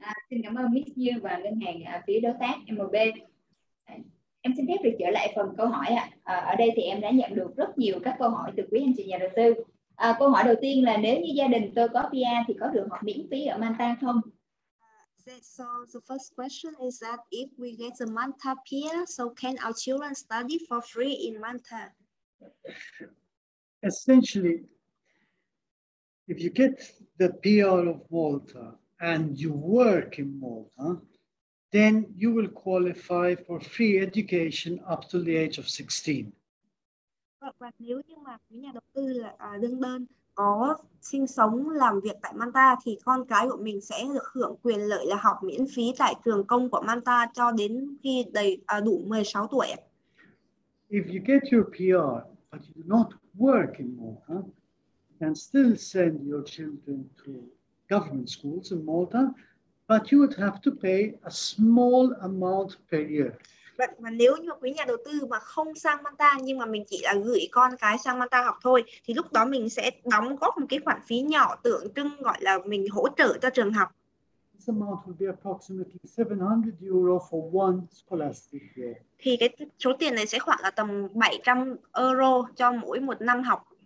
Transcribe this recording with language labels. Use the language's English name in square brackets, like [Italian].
[Vietnamese] Xin cảm ơn Miss Như và ngân hàng phía đối tác MB. Em xin phép được trở lại phần câu hỏi ạ. Ở đây thì em đã nhận được rất nhiều các câu hỏi từ quý anh chị nhà đầu tư. Câu hỏi đầu tiên là nếu như gia đình tôi có PR thì có được học miễn phí ở Malta không? [English] So the first question is that if we get the Malta PR, so can our children study for free in Malta? Essentially, if you get the PR of Malta and you work in Malta, then you will qualify for free education up to the age of 16. [Vietnamese] Và nếu như mà quý nhà đầu tư là đương đơn có sinh sống làm việc tại Malta thì con cái của mình sẽ được hưởng quyền lợi là học miễn phí tại trường công của Malta cho đến khi đầy đủ 16 tuổi. [English] If you get your PR but you do not work in Malta, you can still send your children to government schools in Malta, but you would have to pay a small amount per year. [Vietnamese] Vậy mà nếu như quý nhà đầu tư mà không sang Malta nhưng mà mình chỉ là gửi con cái sang Malta học thôi thì lúc đó mình sẽ đóng góp một cái khoản phí nhỏ tượng trưng gọi là mình hỗ trợ cho trường học. [English] This amount will be approximately 700 euro for one scholastic year. [Vietnamese] Thì cái số tiền này sẽ khoảng là tầm 700 euro cho mỗi một năm học.